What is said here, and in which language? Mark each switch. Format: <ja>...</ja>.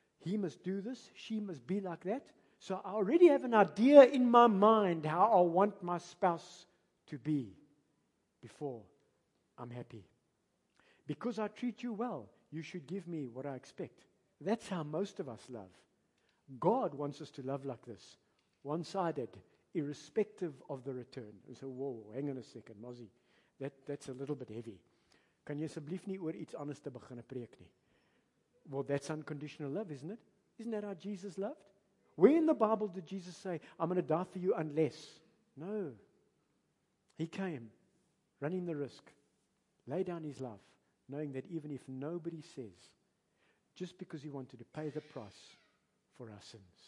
<en>He must do this, she must be like that. So I already have an idea in my mind how I want my spouse to be before I'm happy. Because I treat you well, you should give me what I expect. That's how most of us love. God wants us to love like this, one-sided, irrespective of the return. We say, whoa, hang on a second, Mozzie, that's a little bit heavy.</en> <af>Kan jy asseblief nie oor iets anders te begin preek nie?</af> <en>Well, that's unconditional love, isn't it? Isn't that how Jesus loved? Where in the Bible did Jesus say, I'm going to die for you unless? No. He came, running the risk, lay down his life, knowing that even if nobody says, just because he wanted to pay the price for our sins.</en>